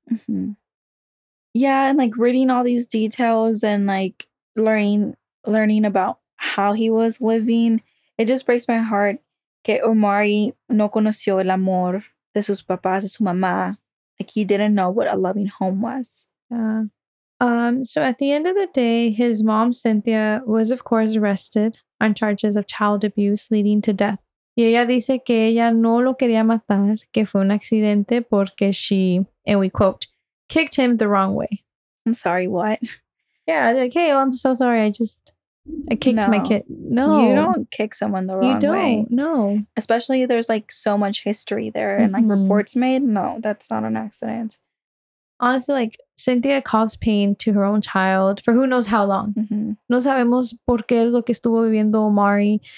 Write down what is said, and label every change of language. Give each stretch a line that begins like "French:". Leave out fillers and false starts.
English: Mm-hmm. Yeah, and, like, reading all these details and, like, learning about how he was living, it just breaks my heart que Omari no conoció el amor de sus papás, de su mamá. Like, he didn't know what a loving home was. Yeah. So at the end of the day, his mom, Cynthia, was, of course, arrested on charges of child abuse leading to death.
Spanish: Y ella dice que ella no lo quería matar, que fue un accidente porque she, and we quote, kicked him the wrong way.
English: I'm sorry, what? Yeah, like, hey, well, I'm so sorry. I kicked my kid. No. You don't kick someone the wrong way. You don't, way. No. Especially there's, like, so much history there and, like, reports made. No, that's not an accident. honestly, like, Cynthia caused pain to her own child for who knows how long.
Spanish: No sabemos por qué es lo que estuvo viviendo Omari.